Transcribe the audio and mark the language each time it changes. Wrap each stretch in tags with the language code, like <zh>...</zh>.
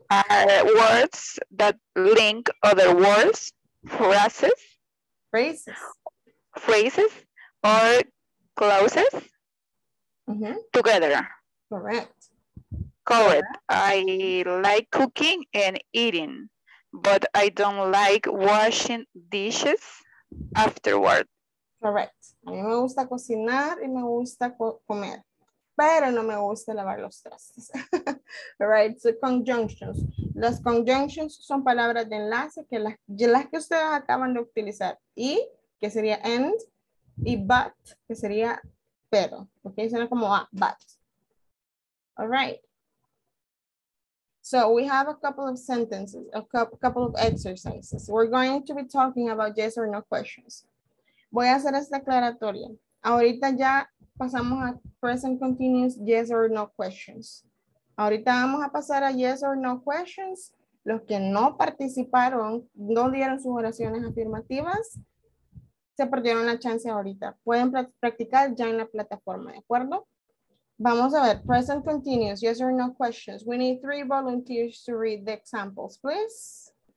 <en>are words that link other words, phrases, or clauses uh-huh. together. Correct. Correct. Yeah. I like cooking and eating, but I don't like washing dishes afterward. Correct.</en> <es>A mí me gusta cocinar y me gusta comer, pero no me gusta lavar los trastes.</es> <en>Right, so conjunctions.</en> <es>Las conjunctions son palabras de enlace que las que ustedes acaban de utilizar. Y, que sería and, y but, que sería pero.</es> <en>Ok,</en> <es>suena como a,</es> <en>but. All right. So we have a couple of sentences, a couple of exercises. We're going to be talking about yes or no questions.</en> <es>Voy a hacer esta aclaratoria. Ahorita ya pasamos a present continuous yes or no questions. Ahorita vamos a pasar a yes or no questions. Los que no participaron, no dieron sus oraciones afirmativas, se perdieron la chance ahorita. Pueden practicar ya en la plataforma, ¿de acuerdo? Vamos a ver, present continuous, yes or no questions.</es> <en>We need 3 volunteers to read the examples, please.</en>